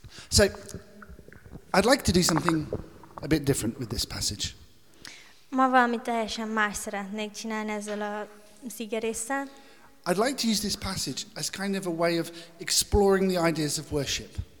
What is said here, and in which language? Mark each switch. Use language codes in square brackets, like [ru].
[en] So, I'd like to do something a bit different with this passage. [hu] Ma valami teljesen más szeretnék csinálni ezzel a szigerésszel. [en] I'd like to use this passage as kind of a way of exploring the ideas of worship.